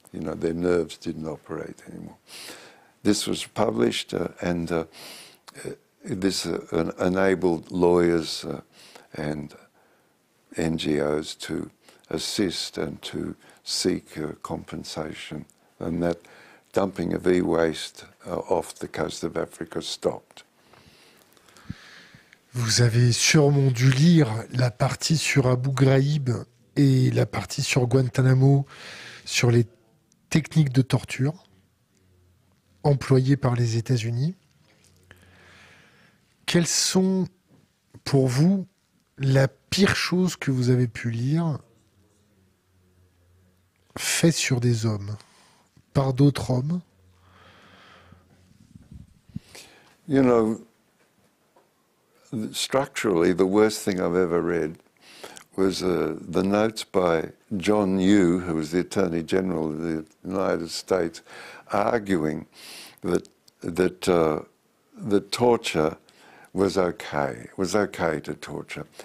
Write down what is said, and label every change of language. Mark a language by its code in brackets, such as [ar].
[en] You know, their nerves didn't operate anymore. This was published enabled lawyers and NGOs to assist and to seek compensation, and that dumping of e-waste off the coast of Africa stopped. [fr] Vous avez sûrement dû lire la partie sur Abu Ghraib et la partie sur Guantanamo sur les techniques de torture employées par les États-Unis. Quelles sont pour vous la pire chose que vous avez pu lire faite sur des hommes, par d'autres hommes? [en] You know, structurally, the worst thing I've ever read was the notes by John Yoo, who was the Attorney General of the United States, arguing that torture was okay to torture.